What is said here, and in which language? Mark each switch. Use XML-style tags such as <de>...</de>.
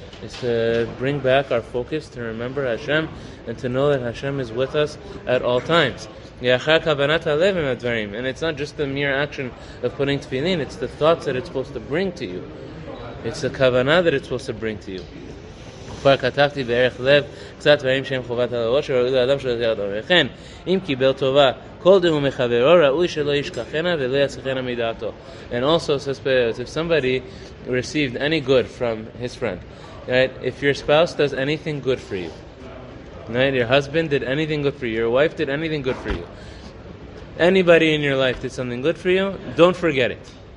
<en>It's to bring back our focus to remember Hashem and to know that Hashem is with us at all times.</en> <he>Ya'achar kavanat halev im advarim.</he> <en>And it's not just the mere action of putting tefillin. It's the thoughts that it's supposed to bring to you. It's the kavanah that it's supposed to bring to you.</en> <he>כבר כתבתי בערך לב קצת דברים שהם חובת על הראש שראוי לאדם שלא יזכר אותו. וכן, אם קיבל טובה כל דהו מחברו, ראוי שלא ישכחנה ולא יצחנה מדעתו.</he> <en>And also, if somebody received any good from his friend, right? If your spouse does anything good for you, right? Your husband did anything good for you, your wife did anything good for you, anybody in your life did something good for you, don't forget it.</en>